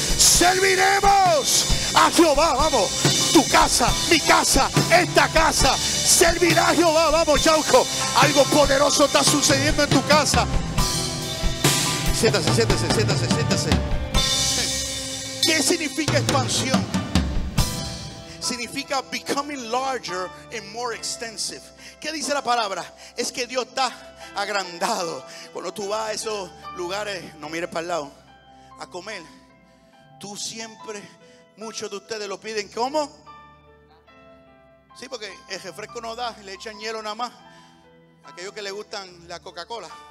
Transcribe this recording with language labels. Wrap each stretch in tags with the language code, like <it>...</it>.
<es>Serviremos a Jehová, vamos. Tu casa, mi casa, esta casa servirá a Jehová. Vamos, Yauco. Algo poderoso está sucediendo en tu casa. Siéntase, siéntase, siéntase, siéntase. ¿Qué significa expansión?</es> <en>Significa becoming larger and more extensive.</en> <es>¿Qué dice la palabra? Es que Dios está agrandado. Cuando tú vas a esos lugares, no mires para el lado, a comer, tú siempre, muchos de ustedes lo piden, ¿cómo? Sí, porque el refresco no da, le echan hielo nada más. Aquellos que le gustan la Coca-Cola.</es>